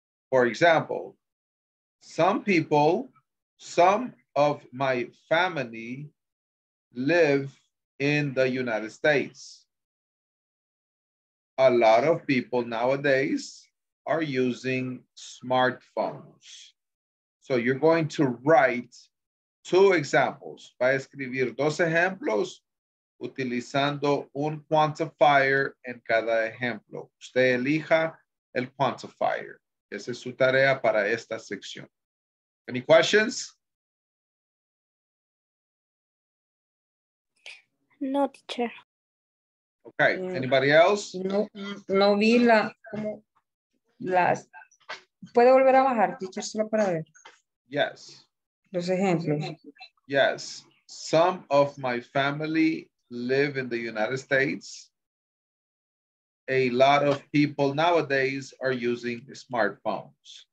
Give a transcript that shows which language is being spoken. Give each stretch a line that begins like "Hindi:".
English: For example, some of my family live in the United States. A lot of people nowadays are using smartphones. So you're going to write two examples.
Spanish: Va a escribir dos ejemplos utilizando un quantifier en cada ejemplo. Usted elija el quantifier. Esa es su tarea para esta sección.
English: Any questions? No, teacher. Okay. Anybody else?
Spanish: No vi la como las. ¿Puedo volver a bajar, teacher, solo para ver?
English: Yes.
Spanish: Los ejemplos.
English: Yes. Some of my family live in the United States. A lot of people nowadays are using smartphones.